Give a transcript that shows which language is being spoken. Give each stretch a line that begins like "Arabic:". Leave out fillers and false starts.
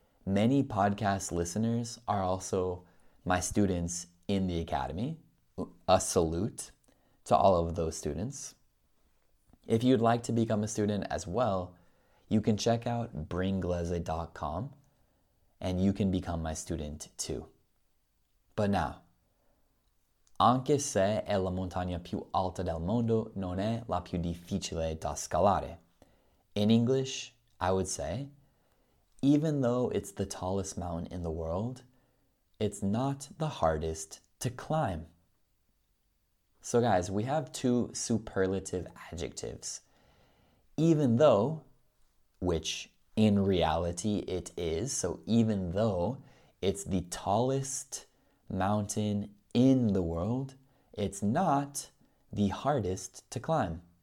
English: Many podcast listeners are also my students in the academy. A salute to all of those students. If you'd like to become a student as well, you can check out bringlaze.com and you can become my student too. But now,
Italian: anche se è la montagna più alta del mondo, non è la più difficile da scalare.
English: In English, I would say, even though it's the tallest mountain in the world, it's not the hardest to climb. So guys, we have 2 superlative adjectives. Even though, which in reality it is, so even though it's the tallest mountain in the world, it's not the hardest to climb.